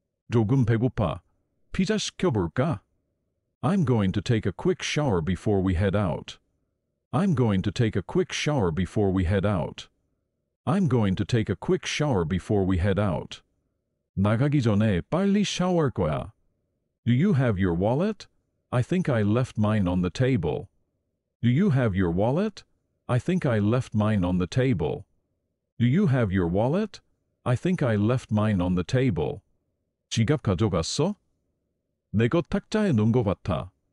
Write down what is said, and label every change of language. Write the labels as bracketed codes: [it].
[ko] 조금 배고파. 피자 시켜볼까? [en] I'm going to take a quick shower before we head out. I'm going to take a quick shower before we head out. I'm going to take a quick shower before we head out. [ko] 나가기 전에 빨리 샤워할 거야. [en] Do you have your wallet? I think I left mine on the table. Do you have your wallet? I think I left mine on the table. Do you have your wallet? I think I left mine on the table. [ko] 지갑 가져갔어? 내 거 탁자에 놓은 거 같아.